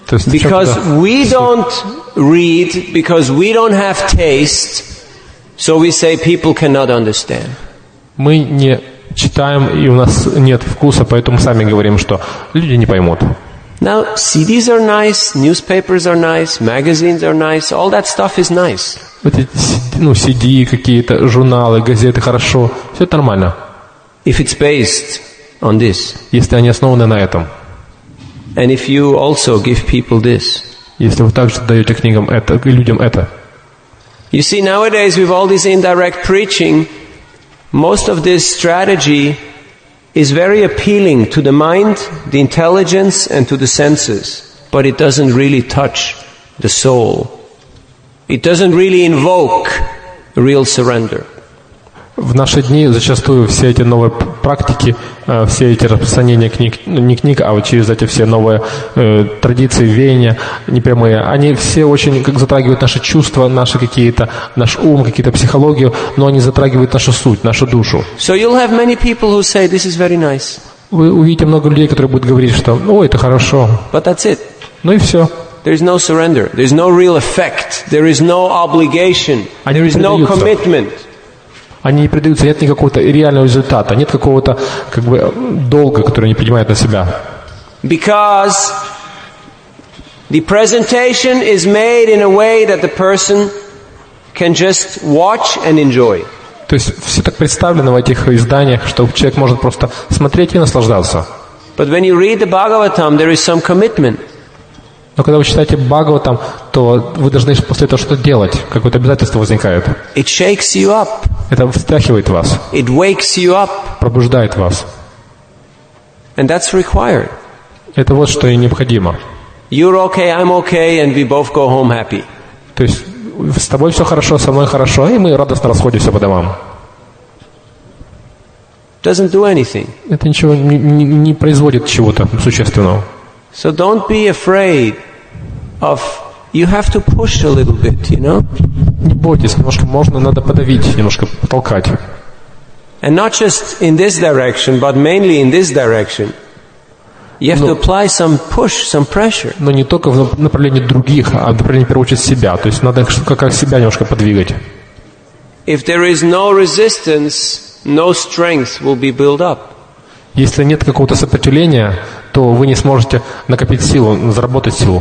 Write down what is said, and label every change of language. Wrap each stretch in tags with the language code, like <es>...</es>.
<en>Because we don't read, because we don't have taste, so we say people cannot understand.</en> <ru>Мы не читаем, и у нас нет вкуса, поэтому сами говорим, что люди не поймут.</ru> <en>Now, CDs are nice, newspapers are nice, magazines are nice, all that stuff is nice.</en> <ru>Вот эти, ну, CD, какие-то журналы, газеты, хорошо, все нормально.</ru> <en>If it's based on this.</en> <ru>Если они основаны на этом.</ru> <en>And if you also give people this.</en> <ru>Если вы также даете книгам это, людям это.</ru> <en>You see, nowadays with all this indirect preaching, most of this strategy is very appealing to the mind, the intelligence, and to the senses. But it doesn't really touch the soul. It doesn't really invoke real surrender.</en> <ru>В наши дни зачастую все эти новые практики, все эти распространения книг, не книг, а вот через эти все новые традиции, веяния непрямые, они все очень как затрагивают наши чувства, наши какие-то, наш ум, какие-то психологию, но они затрагивают нашу суть, нашу душу.</ru> <en>So you'll have many people who say, this is very nice.</en> <ru>Вы увидите много людей, которые будут говорить, что «О, это хорошо».</ru> <en>But that's it.</en> <ru>Ну и все.</ru> <en>There is no surrender. There is no real effect. There is no obligation.</en> <ru>Они</ru> <en>There is no commitment.</en> <ru>Они не предаются, нет никакого-то реального результата, нет какого-то как бы долга, который они принимают на себя.</ru> <en>Because the presentation is made in a way that the person can just watch and enjoy.</en> <ru>То есть все так представлено в этих изданиях, что человек может просто смотреть и наслаждаться.</ru> <en>But when you read the Bhagavatam, there is some commitment.</en> <ru>Но когда вы читаете Бхагаватам, то вы должны после этого что-то делать. Какое-то обязательство возникает.</ru> <en>It shakes you up.</en> <ru>Это встряхивает вас.</ru> <en>It wakes you up.</en> <ru>Пробуждает вас.</ru> <en>And that's required.</en> <ru>Это вот что и необходимо.</ru> <en>You're okay, I'm okay, and we both go home happy.</en> <ru>То есть с тобой все хорошо, со мной хорошо, и мы радостно расходимся по домам.</ru> <en>Doesn't do anything.</en> <ru>Это ничего не производит чего-то существенного.</ru> <en>So don't be afraid of you have to push a little bit, you know?</en> <ru>Не бойтесь, немножко можно, надо подавить, немножко толкать.</ru> <en>And not just in this direction, but mainly in this direction. You have to apply some push, some pressure.</en> <ru>Но не только в направлении других, а в направлении, в первую очередь, себя. То есть надо как себя немножко подвигать.</ru> <en>If there is no resistance, no strength will be built up.</en> <ru>Если нет какого-то сопротивления, то вы не сможете накопить силу, заработать силу.</ru>